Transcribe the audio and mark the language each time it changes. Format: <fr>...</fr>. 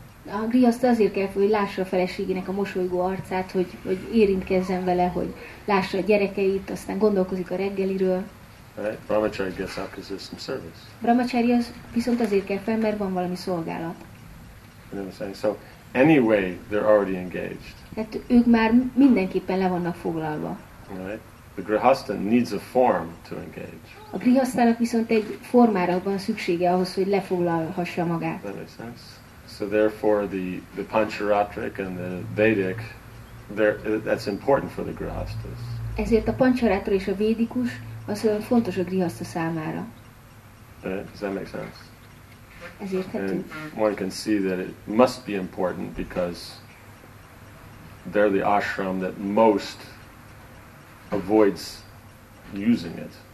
<hu>A grihastha azért kell, hogy lássa a feleségének a mosolygó arcát, hogy érintkezzen vele, hogy lássa a gyerekeit, aztán gondolkozik a reggeliről.</hu> <en>Right. Brahmachari gets up because there's some service.</en> <hu>Brahmachari az viszont azért kell fel, mert van valami szolgálat.</hu> <en>You know what I'm saying? So anyway, they're already engaged.</en> <hu>Tehát ők már mindenképpen le vannak foglalva.</hu> <en>Right. The grihastha needs a form to engage.</en> <hu>A grihasztának viszont egy formára van szüksége ahhoz, hogy lefoglalhassa magát.</hu> <en>That makes sense. So therefore the pancharatric and the vedic that's important for the grihasthas.</en> <hu>Ezért a pancharatra és a védikus az fontos a grihastha számára.</hu> <en>Does that make sense?</en> <hu>Ezért</hu> <en>and one can see that it must be important because they're the ashram that most avoids using it.</en>